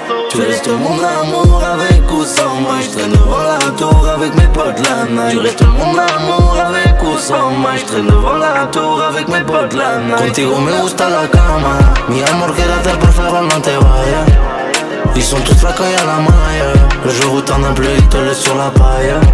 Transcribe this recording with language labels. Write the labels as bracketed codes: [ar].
[fr] Tu restes mon amour avec ou sans moi. Je traîne devant la tour avec mes potes la night. Tu restes mon amour avec ou sans moi. Je traîne devant la tour avec mes potes la night. [es] Contigo me gusta la cama. Mi amor, quédate, por favor, no te vayas. [fr] Ils sont tous là quand y'a la maille. Le jour où t'en as plus, ils te laissent sur la paille.